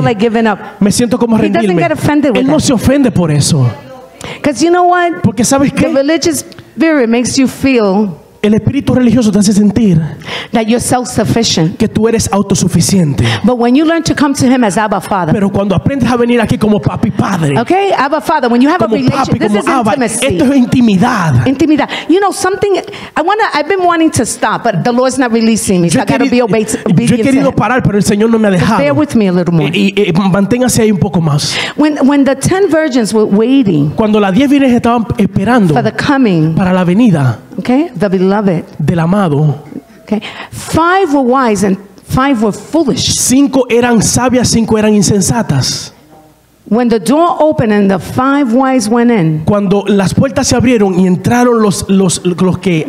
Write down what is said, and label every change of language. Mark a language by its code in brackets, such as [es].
[en] Like giving up. [es] Me siento como [en] He [es] rendirme. [en] Doesn't get offended with [es] Él no [en] that. [es] Se ofende por eso. [en] Because you know what? [es] Porque sabes qué? [en] The religious spirit makes you feel [es] el espíritu religioso te hace sentir [en] that you're self-sufficient. [es] Que tú eres autosuficiente. [en] But when you learn to come to him as Abba Father. [es] Pero cuando aprendes a venir aquí como papi padre. [en] Okay, Abba Father, when you have [es] como [en] a relationship, [es] papi, [en] this [es] como [en] is [es] Abba, [en] intimacy. [es] Esto es intimidad. Intimidad. [en] You know something, I've been wanting to stop, but the Lord's not releasing me. So I gotta be obedient. [es] Yo he querido parar, pero el Señor no me ha dejado. [en] Bear with me a little more. [es] Y manténgase ahí un poco más. [en] When the 10 virgins were waiting. [es] Cuando las 10 vírgenes estaban esperando [en] for the coming, [es] para la venida. [en] Okay, the beloved. [es] Del amado. [en] Okay, 5 were wise and 5 were foolish. [es] 5 eran sabias, 5 eran insensatas. [en] When the door opened and the 5 wise went in. [es] Cuando las puertas se abrieron y entraron los que